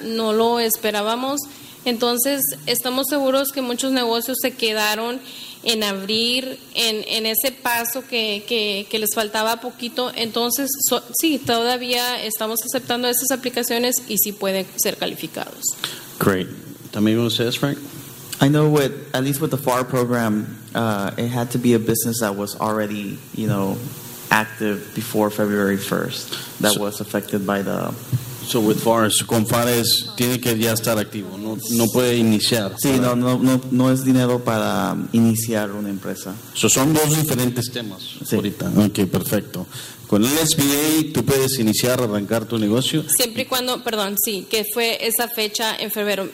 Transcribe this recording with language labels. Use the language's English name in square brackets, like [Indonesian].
[Spanish] No lo esperábamos. Entonces, estamos seguros que muchos negocios se quedaron en abrir, en ese paso que les faltaba poquito. Entonces, sí, todavía estamos aceptando esas aplicaciones y sí pueden ser calificados. Great. ¿También vamos a decir, Frank? [English] I know at least with the FAR program, it had to be a business that was already, active before February 1st, that was affected by the So with FAR, [Spanish] con FAR es, tiene que ya estar activo, no puede iniciar. Sí, no es dinero para iniciar una empresa. So son dos diferentes temas sí. Ahorita. Ok, perfecto. Con el SBA, tú puedes iniciar, arrancar tu negocio. Siempre y cuando, perdón, sí, que fue esa fecha en febrero.